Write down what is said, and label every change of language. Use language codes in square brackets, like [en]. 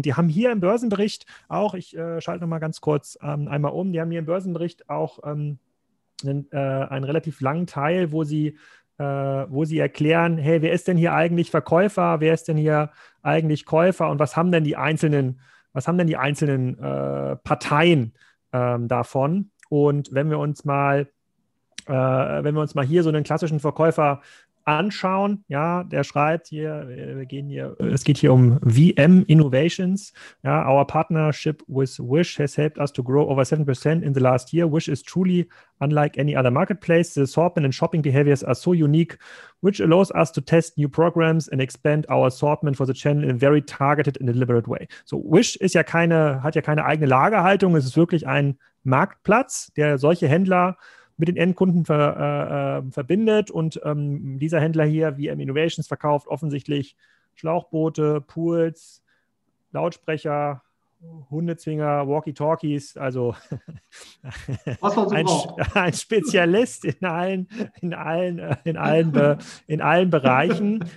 [de] Und die haben hier im Börsenbericht auch, ich schalte nochmal ganz kurz einmal um, die haben hier im Börsenbericht auch einen relativ langen Teil, wo sie erklären, hey, wer ist denn hier eigentlich Verkäufer, wer ist denn hier eigentlich Käufer und was haben denn die einzelnen Parteien davon? Und wenn wir uns mal hier so einen klassischen Verkäufer anschauen. Ja, der schreibt hier, es geht hier um VM Innovations. [en] Ja, our partnership with Wish has helped us to grow over 7% in the last year. Wish is truly unlike any other marketplace. The assortment and shopping behaviors are so unique, which allows us to test new programs and expand our assortment for the channel in a very targeted and deliberate way. [de] So Wish ist ja keine, hat ja keine eigene Lagerhaltung. Es ist wirklich ein Marktplatz, der solche Händler mit den Endkunden verbindet. Und dieser Händler hier, VM Innovations, verkauft offensichtlich Schlauchboote, Pools, Lautsprecher, Hundezwinger, Walkie-Talkies, also ein Spezialist in allen Bereichen.